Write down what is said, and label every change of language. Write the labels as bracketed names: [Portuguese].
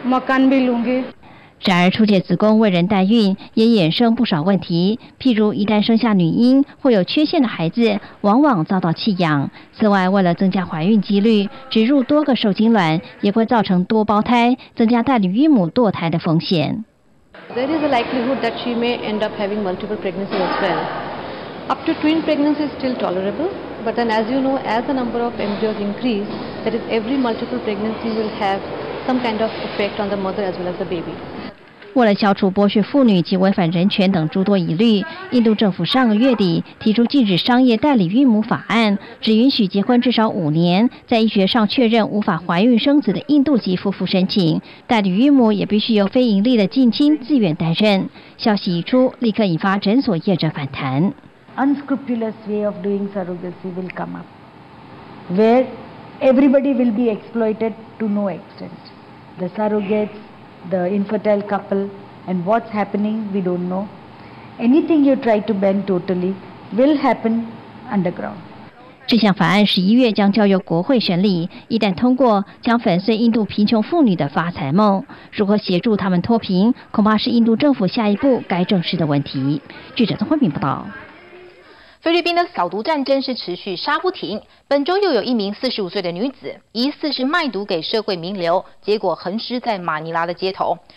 [Chinese] 然而初借子宫为人代孕也衍生不少问题，譬如一旦生下女婴，或有缺陷的孩子往往遭到弃养。此外，为了增加怀孕几率，植入多个受精卵也会造成多胞胎，增加代理孕母堕胎的风险。 [English] There is a likelihood that she may end up having multiple pregnancies as well. Up to twin pregnancy is still tolerable, but then as you know, as the number of embryos increase, that is every multiple pregnancy will have some kind of effect on the mother as well as the baby. [Chinese] 为了消除剥削妇女及违反人权等诸多疑虑，印度政府上个月底提出禁止商业代理孕母法案，只允许结婚至少5年，在医学上确认无法怀孕生子的印度籍夫妇申请，代理孕母也必须由非盈利的近亲自愿担任。消息一出，立刻引发诊所业者反弹。 [English] Unscrupulous way of doing surrogacy will come up, where everybody will be exploited to no extent. The surrogates. The infertile couple and what's happening, we don't know. Anything you try to ban totally will happen underground. [Chinese] 这项法案11月将交由国会审理，一旦通过，将粉碎印度贫穷妇女的发财梦。如何协助他们脱贫，恐怕是印度政府下一步该正视的问题。记者曾慧敏报道。菲律宾的扫毒战争是持续杀不停，本周又有一名45岁的女子疑似是卖毒给社会名流，结果横尸在马尼拉的街头。